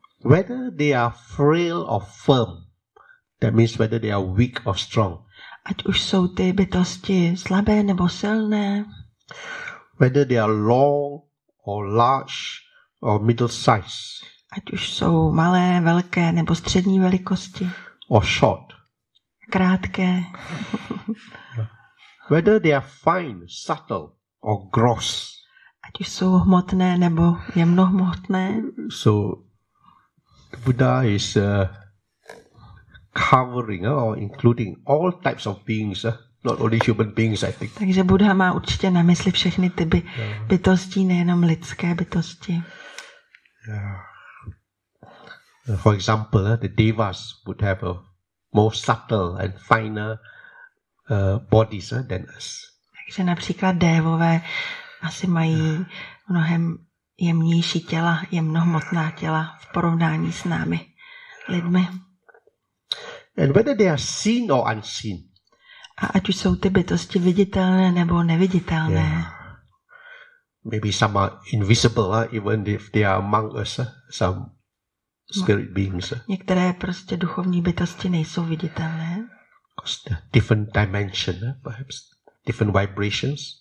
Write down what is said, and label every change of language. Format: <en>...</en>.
<en>Whether they are frail or firm, that means whether they are weak or strong.</en> <cs>Ať už jsou ty bytosti slabé nebo silné.</cs> <en>Whether they are long or large or middle size.</en> <cs>Ať už jsou malé, velké nebo střední velikosti.</cs> <en>Or short.</en> <cs>Krátké.</cs> <en>Whether they are fine, subtle or gross.</en> <cs>Ať už jsou hmotné nebo jemnohmotné.</cs> <en>So Buddha is covering or including all types of beings, not only human beings, I think.</en> <cs>Takže Buddha má určitě na mysli všechny typy bytostí, nejenom lidské bytosti.</cs> <en>Yeah. For example, the devas would have a more subtle and finer bodies than us.</en> <cs>Takže například dévové asi mají mnohem jemnější těla, jemnohmotná těla v porovnání s námi, lidmi.</cs> <en>And whether they are seen or unseen.</en> <cs>A ať už jsou ty bytosti viditelné nebo neviditelné.</cs> <en>Yeah. Maybe some are invisible, even if they are among us, some spirit beings.</en> <cs>Některé prostě duchovní bytosti nejsou viditelné.</cs> <en>Because they are different dimension, perhaps different vibrations.</en>